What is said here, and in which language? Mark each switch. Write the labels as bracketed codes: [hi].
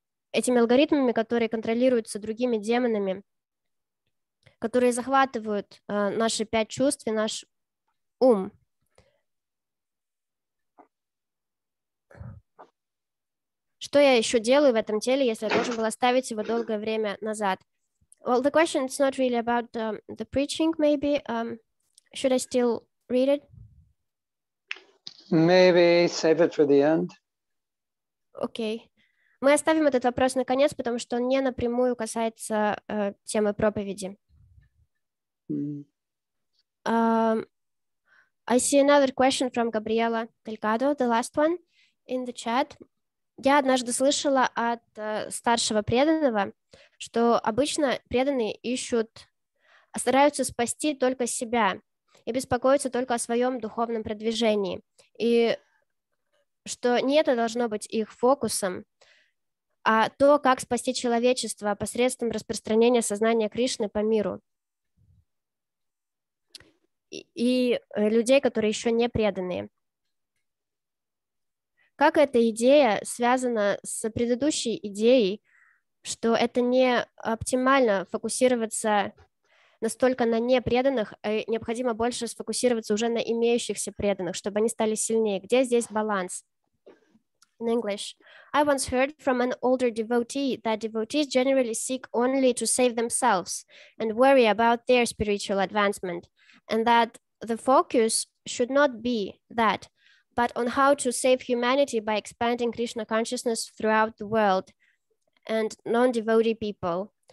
[ru] Этими алгоритмами, которые контролируются другими демонами, которые захватывают наши пять чувств и наш ум. Что я еще делаю в этом теле, если я должен был оставить его долгое время назад? [en] Well, the question is not really about the preaching, maybe. Should I still read it? Maybe save it for the end. Okay. [ru] Мы оставим этот вопрос на конец, потому что он не напрямую касается темы проповеди. [en] I see another question from Gabriela Delgado, the last one in the chat. [ru] Я однажды слышала от старшего преданного, что обычно преданные ищут, стараются спасти только себя и беспокоятся только о своем духовном продвижении, и что не это должно быть их фокусом. а то, как спасти человечество посредством распространения сознания Кришны по миру. И людей, которые еще не преданные. Как эта идея связана с предыдущей идеей, что это не оптимально фокусироваться настолько на непреданных, а необходимо больше сфокусироваться уже на имеющихся преданных, чтобы они стали сильнее. Где здесь баланс? [en] In English. I once heard from an older devotee that devotees generally seek only to save themselves and worry about their spiritual advancement, and that the focus should not be that, but on how to save humanity by expanding Krishna consciousness throughout the world and non-devotee people.